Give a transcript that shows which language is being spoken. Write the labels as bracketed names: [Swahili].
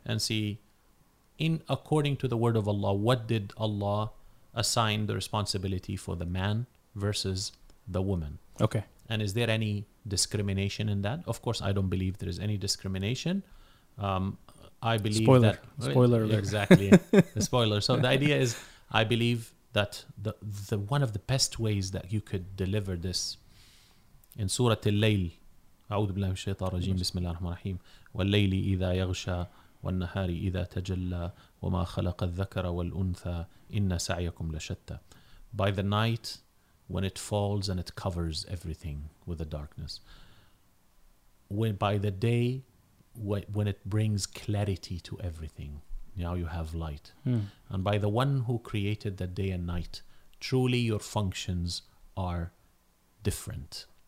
[English] and see, in according to the word of Allah, what did Allah assign the responsibility for the man versus the woman? Okay. And is there any discrimination in that? Of course, I don't believe there is any discrimination. I believe spoiler. That... Spoiler alert. Exactly. Spoiler. So the idea is, I believe that the one of the best ways that you could deliver this in Surah Al-Layl, [Arabic] أعوذ بالله من الشيطان الرجيم بسم الله الرحمن الرحيم والليل إذا يغشى والنهار إذا تجلى وما خلق الذكر والأنثى إن سعيكم لشتى. [English] By the night when it falls and it covers everything with the darkness. When by the day when it brings clarity to everything. Now you have light. Hmm. And by the one who created the day and night, truly your functions are different.